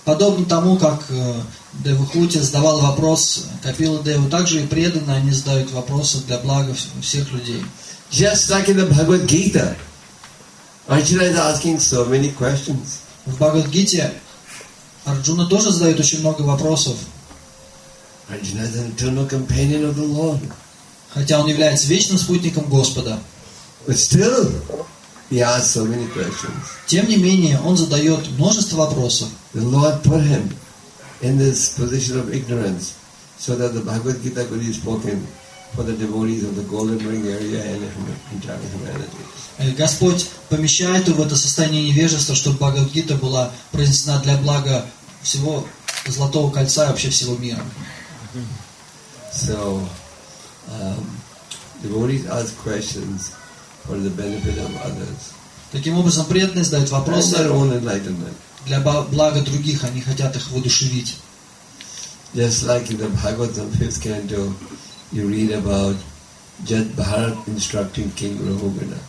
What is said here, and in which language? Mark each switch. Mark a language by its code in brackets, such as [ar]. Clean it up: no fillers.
[ru] Подобно тому, как Девахути задавал вопрос Капила Деву, также и преданные они задают вопросы для блага всех людей. [en] Just like in the Bhagavad Gita, Arjuna is asking so many questions. [ru] В Бхагавад Гите Арджуна тоже задает очень много вопросов. [en] Arjuna is an eternal companion of the Lord. [ru] Хотя он является вечным спутником Господа. [en] But still. He asked so many questions. [ru] Тем не менее, он задает множество вопросов. [en] The Lord put him in this position of ignorance so that the Bhagavad Gita could be spoken for the devotees of the Golden Ring area and entire humanity. [ru] Господь помещает его в это состояние невежества, чтобы Бхагавад Гита была произнесена для блага всего Золотого Кольца и вообще всего мира. [en] So, devotees ask questions for the benefit of others. [ru] Таким образом, преданные задают вопросы [en] their own enlightenment. [ru] Для блага других, они хотят их воодушевить. [en] Just like in the Bhagavatam 5th canto, you read about Jat Bharat instructing King Rahugana.